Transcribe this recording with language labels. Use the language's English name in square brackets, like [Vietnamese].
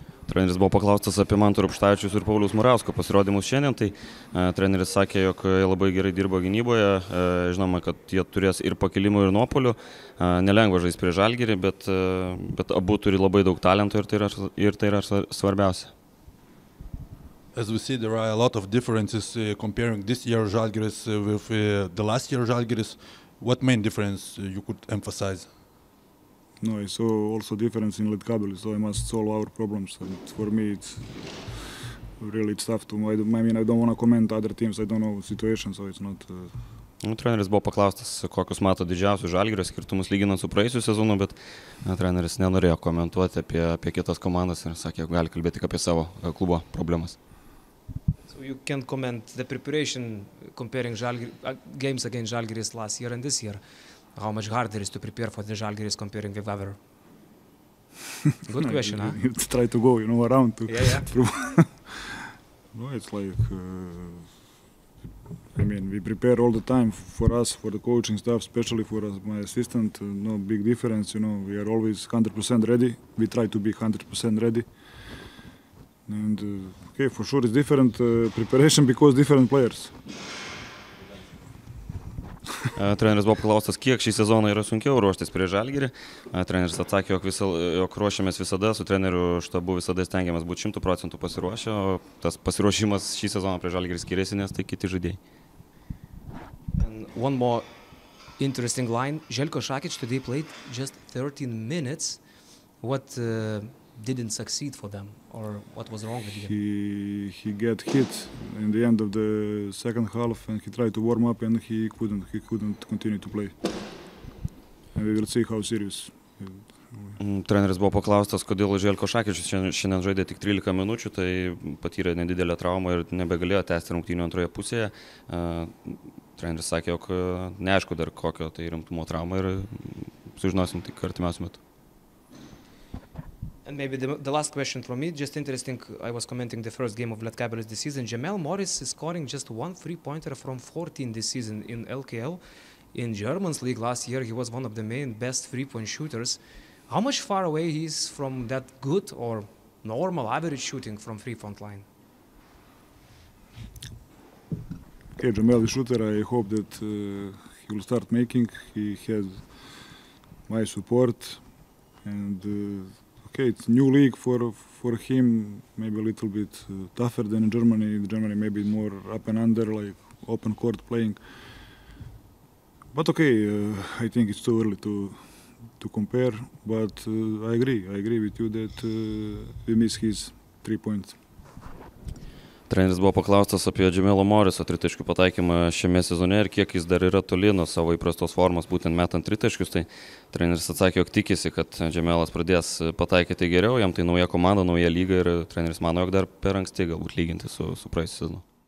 [Lithuanian] Treneris buvo paklaustas apie Manto Rupštavičiaus ir Pauliaus Murausko pasirodymus šiandien, tai treneris sakė, jog jie labai gerai dirbo gynyboje, žinoma, kad jie turės ir pakilimų, ir nuopolių, nelengva žaisti prie Žalgirį, bet abu turi labai daug talento ir tai yra svarbiausia. [English] As we see, there are a lot of differences comparing this year Žalgiris with the last year Žalgiris. What main difference you could emphasize? No, I saw also difference in Lietkabelis, so I must solve our problems, and for me it's really tough to, I mean, I don't want to comment other teams, I don't know the situation, so it's not... [Lithuanian] Treneris buvo paklaustas, kokius mato didžiausius Žalgirio skirtumus lyginant su praėjusiu sezonu, bet treneris nenorėjo komentuoti apie kitas komandas ir sakė, gali kalbėti apie savo klubo problemas. [English] You can't comment the preparation comparing games against Žalgiris last year and this year. How much harder is to prepare for the Žalgiris comparing with other? Good question, huh? You try to go, you know, around to... Yeah. No, it's like... I mean, we prepare all the time for us, for the coaching staff, especially for my assistant. No big difference, you know, we are always 100% ready. We try to be 100% ready. And, okay, for sure it's different preparation because different players. [Lithuanian] Treneris buvo paklaustas, kiek šį sezoną yra sunkiau ruoštis prie Žalgirį. Treneris atsakė, jog ruošiamės visada, su treneriu štabu visada stengiamas būti 100% pasiruošę, o tas pasiruošimas šį sezoną prie Žalgirį skiriasi, nes tai kiti žaidėjai. [English] One more interesting line. Željko Šakić today played just 13 minutes. What didn't succeed for them, or what was wrong with him? He got hit in the end of the second half, and he tried to warm up, and he couldn't continue to play. And we will see how serious. [Lithuanian] Treneris buvo paklaustas, kodėl Želko Šakičius šiandien žaidė tik 13 minučių, tai patyrė nedidelę traumą ir nebegalėjo tęsti rungtynių antroje pusėje. Treneris sakė, jog neaišku dar kokio tai rimtumo trauma ir sužinosim tik artimiausiu metu. [English] And maybe the last question from me, just interesting, I was commenting the first game of Lietkabelis this season. Jamel Morris is scoring just one three-pointer from 14 this season in LKL. In German's league last year, he was one of the main best three-point shooters. How much far away he is from that good or normal average shooting from three-point line? Okay, Jamel is a shooter. I hope that he will start making. He has my support. And okay, it's a new league for him, maybe a little bit tougher than in Germany. In Germany, maybe more up and under, like open court playing. But okay, I think it's too early to compare, but I agree with you that we miss his three points. [Lithuanian] Treneris buvo paklaustas apie Jamelo Moriso tritaškių pataikymą šiame sezone ir kiek jis dar yra toli nuo savo įprastos formos būtent metant tritaškius, tai treneris atsakė, jog tikisi, kad Jamelas pradės pataikyti geriau, jam tai nauja komanda, nauja lyga ir treneris mano, jog dar per anksti galbūt lyginti su praėjusiu sezonu.